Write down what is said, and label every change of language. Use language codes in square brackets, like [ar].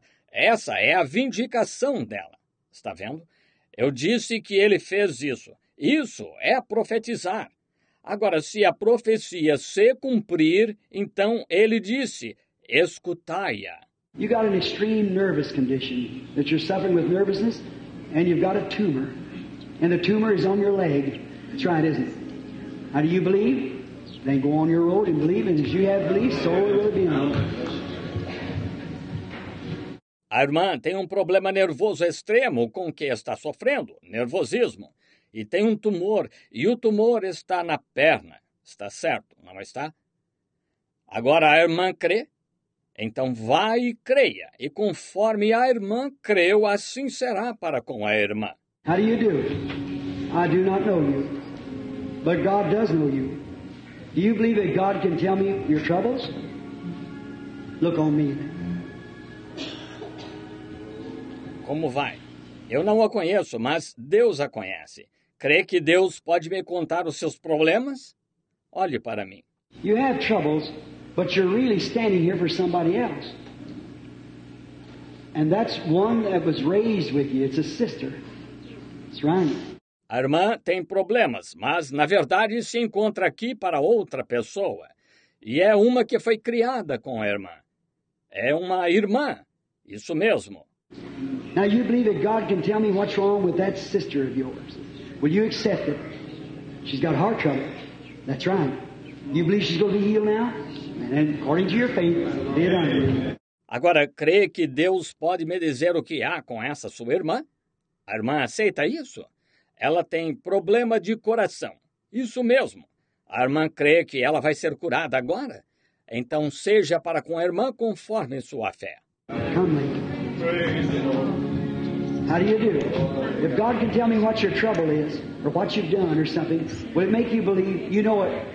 [pt] Essa é a vindicação dela. Está vendo? Eu disse que ele fez isso. Isso é profetizar. Agora, se a profecia se cumprir, então ele disse, escutai-a. [en] You got an extreme nervous condition that you're suffering with nervousness, and you've got a tumor, and the tumor is on your leg. That's right, isn't it? Now, do you believe? Then go on your road and believe, and as you have belief, so will it be known. [pt] A irmã tem um problema nervoso extremo com que está sofrendo, nervosismo, e tem um tumor, e o tumor está na perna. Está certo, não está? Agora a irmã crê? Então vá e creia, e conforme a irmã creu, assim será para com a irmã. [en] How do you do? I do not know you, but God does know you. Do you believe that God can tell me your troubles? Look on me. [pt] Como vai? Eu não a conheço, mas Deus a conhece. Crê que Deus pode me contar os seus problemas? Olhe para mim. [en] You have troubles, but you're really standing here for somebody else. And that's one that was raised with you. It's a sister. It's right. [pt] A irmã tem problemas, mas na verdade se encontra aqui para outra pessoa. E é uma que foi criada com a irmã. É uma irmã. Isso mesmo. [en] Now you believe that God can tell me what's wrong with that sister of yours. Will you accept it? She's got heart trouble. That's right. You believe she's going to be healed now? And according to your faith, it is. [pt] Agora, crê que Deus pode me dizer o que há com essa sua irmã? A irmã aceita isso? Ela tem problema de coração. Isso mesmo. A irmã crê que ela vai ser curada agora? Então seja para com a irmã conforme sua fé. [en] Come, Lincoln. How do you do? If God can tell me what your trouble is, or what you've done, or something, will it make you believe? You know what?